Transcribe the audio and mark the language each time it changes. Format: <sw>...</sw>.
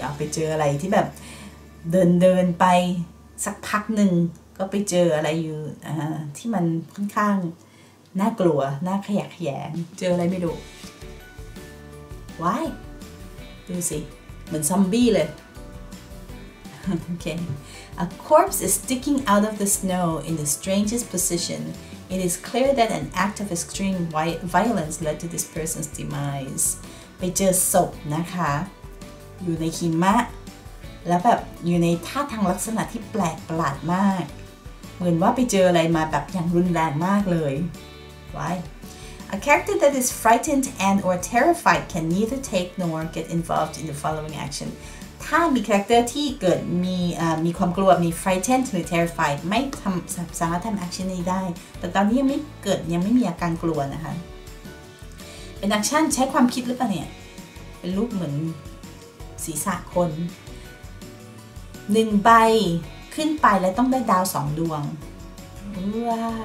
<th>เอาไปเจออะไรที่แบบเดินๆไปสักพักหนึ่งก็ไปเจออะไรอยู่ที่มันค่อนข้างน่ากลัวน่าขยักขยันเจออะไรไม่รู้ Why? ดูสิเหมือนซอมบี้เลยOkay.</th> <en>A corpse is sticking out of the snow in the strangest position. It is clear that an act of extreme violence led to this person's demise.</en> <th>ไปเจอศพนะคะอยู่ในหิมะแล้วแบบอยู่ในท่าทางลักษณะที่แปลกประหลาดมากเหมือนว่าไปเจออะไรมาแบบอย่างรุนแรงมากเลย Why?</th> <en>A character that is frightened and or terrified can neither take nor get involved in the following action.</en> <th>ถ้ามีคาแรคเตอร์ที่เกิดมีความกลัวมี frightened หรือ terrified ไม่ทำสามารถทำ action นี้ได้แต่ตอนนี้ยังไม่เกิดยังไม่มีอาการกลัวนะคะเป็น action ใช้ความคิดหรือเปล่าเนี่ยเป็นรูปเหมือนศีรษะคน1ใบขึ้นไปแล้วต้องได้ดาว2ดวงว้า</th>